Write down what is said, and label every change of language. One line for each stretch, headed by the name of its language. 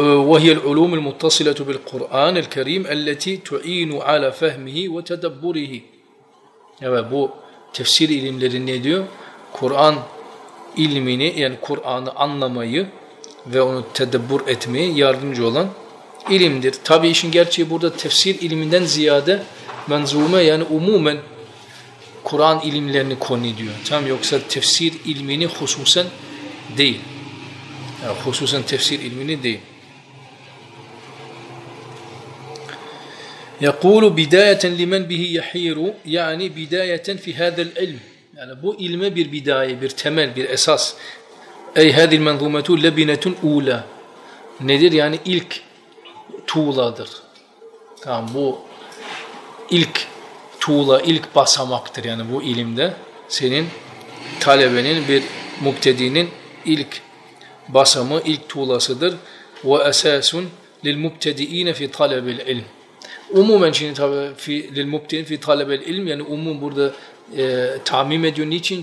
Arabic: وهي العلوم المتصلة بالقرآن الكريم التي تعين على فهمه وتدبره.
Turkish: Evet, bu tefsir ilimleri ne diyor? Kur'an ilmini, yani Kur'an'ı anlamayı ve onu tedabbur etmeye yardımcı olan ilimdir. Tabi işin gerçeği burada tefsir iliminden ziyade menzume, yani umumen Kur'an ilimlerini konu ediyor. Tam yoksa tefsir ilmini hususen değil. Yani hususen tefsir ilmini değil.
Arabic: يَقُولُ بِدَايَةً لِمَنْ بِهِ يَحِيرُ يعني بِدَايَةً فِي هَذَا الْعِلْمِ
Turkish: yani bu ilme bir bidaye, bir temel, bir esas.
Arabic: اَيْ هَذِي الْمَنْظُومَةُ لَبِنَةٌ اُولَى nedir?
Turkish: Yani ilk tuğladır. Tamam, bu ilk tuğla, ilk basamaktır. Yani bu ilimde senin talebenin, bir mübtedinin ilk basamı, ilk tuğlasıdır.
Arabic: وَاَسَاسٌ لِلْمُبْتَدِئِينَ فِي طَلَبِ الْعِلْمِ
Turkish: umumen şimdi tabi fi lil mubtedin fi talab el ilm, yani umum burada tamim ediyor. Niçin?